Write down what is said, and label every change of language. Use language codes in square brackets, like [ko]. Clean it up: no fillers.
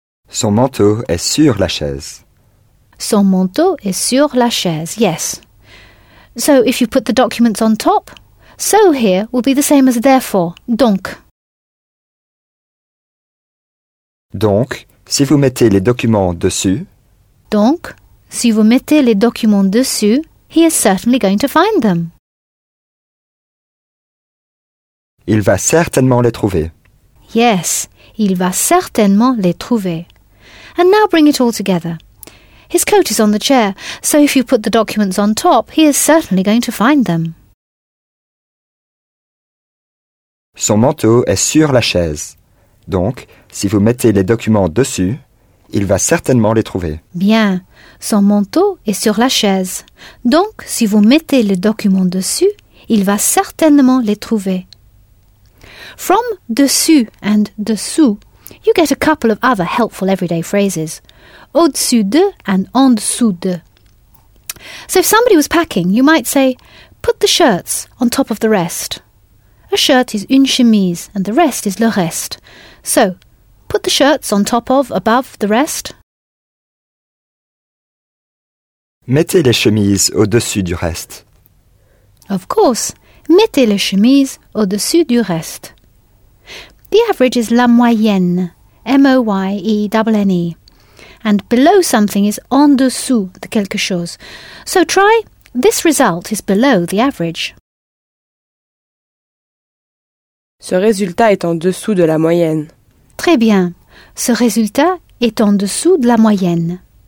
[fr] Son manteau est sur la chaise. Son manteau est sur la chaise, yes. [en] So if you put the documents on top, so here will be the same as therefore, donc. [fr] Donc, si vous mettez les documents dessus. Donc, si vous mettez les documents dessus, [en] he is certainly going to find them. [fr] Il va certainement les trouver. Yes, il va certainement les trouver. [en] And now bring it all together. His coat is on the chair, so if you put the documents on top, he is certainly going to find them. [fr] Son manteau est sur la chaise. Donc, si vous mettez les documents dessus, il va certainement les trouver. Bien. Son manteau est sur la chaise. Donc, si vous mettez les documents dessus, il va certainement les trouver. [en] From dessus and dessous, you get a couple of other helpful everyday phrases. [fr] Au-dessus de and en dessous de. [en] So if somebody was packing, you might say, put the shirts on top of the rest. A shirt is [fr] une chemise [en] and the rest is [fr] le reste. [en] So, put the shirts on top of, above, the rest. [fr] Mettez les chemises au-dessus du reste. [en] Of course, [fr] mettez les chemises au-dessus du reste. [en] The average is [fr] la moyenne, [en] M-O-Y-E-N-N-E. And below something is [fr] en dessous de quelque chose. [en] So try, this result is below the average. [fr] Ce résultat est en dessous de la moyenne. Très bien. Ce résultat est en dessous de la moyenne.